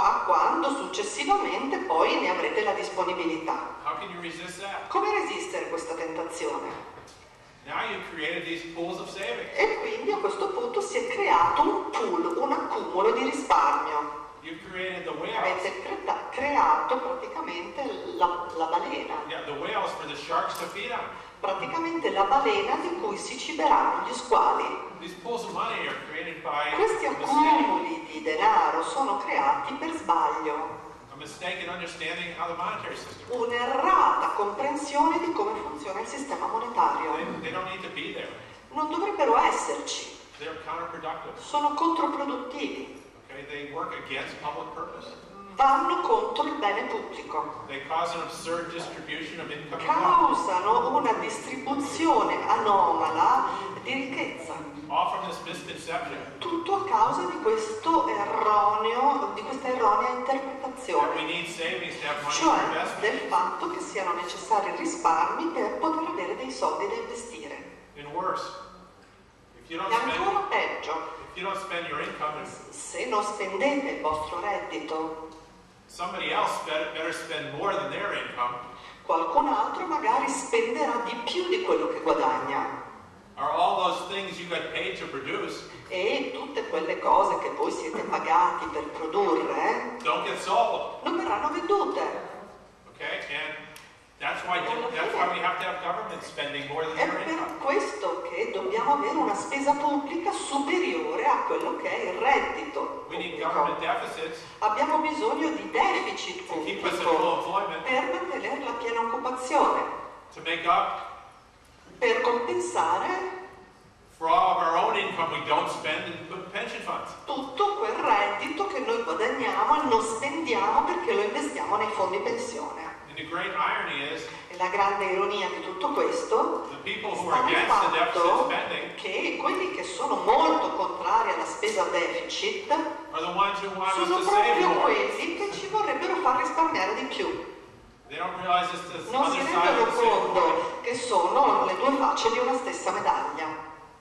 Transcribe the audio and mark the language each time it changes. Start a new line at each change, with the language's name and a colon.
Italian: A quando successivamente poi ne avrete la disponibilità.
English: How can you resist that?
Italian: Come resistere questa tentazione?
English: Now you've created these pools of savings.
Italian: E quindi a questo punto si è creato un pool, un accumulo di risparmio.
English: You've created the whales.
Italian: Avete creato praticamente la balena.
English: Yeah, the whales for the sharks to feed on.
Italian: Praticamente la balena di cui si ciberanno gli squali.
English: These pools of money are created by
Italian: questi accumuli di denaro sono creati per sbaglio.
English: A mistaken understanding of how the monetary system works.
Italian: Un'errata comprensione di come funziona il sistema monetario.
English: They don't need to be there.
Italian: Non dovrebbero esserci.
English: They're counterproductive.
Italian: Sono controproduttivi.
English: Okay, they work against public purpose.
Italian: Vanno contro il bene pubblico.
English: They cause an absurd distribution of income.
Italian: Causano una distribuzione anomala di ricchezza.
English: All from this misconception.
Italian: Tutto a causa di questo erroneo, di questa erronea interpretazione.
English: That we need savings to have money,
Italian: cioè,
English: for investment.
Italian: Del fatto che siano necessari risparmi per poter avere dei soldi da investire.
English: And worse, if you don't
Italian: e ancora
English: spend,
Italian: peggio,
English: if you don't spend your income,
Italian: se non spendete il vostro reddito,
English: somebody else better spend more than their income.
Italian: Qualcun altro magari spenderà di più di quello che guadagna.
English: Are all those things you got paid to produce?
Italian: E tutte quelle cose che voi siete pagati per produrre?
English: Don't get sold.
Italian: Non verranno vendute.
English: Okay, and that's why we have to have government spending more than their income.
Italian: È per questo che dobbiamo avere una spesa pubblica superiore a quello che è il reddito.
English: We need government deficits.
Italian: Abbiamo bisogno di deficit pubblico per mantenere la piena occupazione.
English: To make up.
Italian: Per compensare
English: for all of our own income we don't spend in pension funds.
Italian: Tutto quel reddito che noi guadagniamo e non spendiamo perché lo investiamo nei fondi pensione.
English: And the great irony is,
Italian: e la grande ironia di tutto questo
English: the people who are against the deficit spending,
Italian: che quelli che sono molto contrari alla spesa deficit
English: are the ones who want
Italian: sono
English: us to
Italian: proprio
English: save more.
Italian: Quelli che ci vorrebbero far risparmiare di più.
English: They don't realize it's the
Italian: non
English: other
Italian: si rendono
English: side
Italian: conto che sono le due facce di una stessa medaglia.